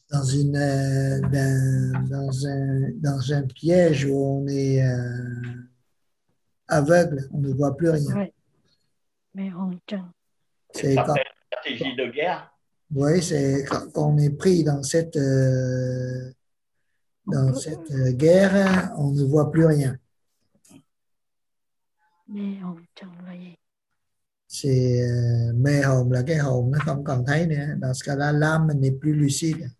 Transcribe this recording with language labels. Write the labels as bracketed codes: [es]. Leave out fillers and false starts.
[fr] Dans une dans un piège où on est aveugle, on ne voit plus rien. Mais on tient. C'est ça quand, fait une stratégie de guerre. Oui, c'est quand on est pris dans cette guerre, on ne voit plus rien. Mais on tient, voyez. C'est [vi] mê hồn là cái hồn nó không còn thấy nữa. [fr] Dans ce cas-là, l'âme n'est plus lucide.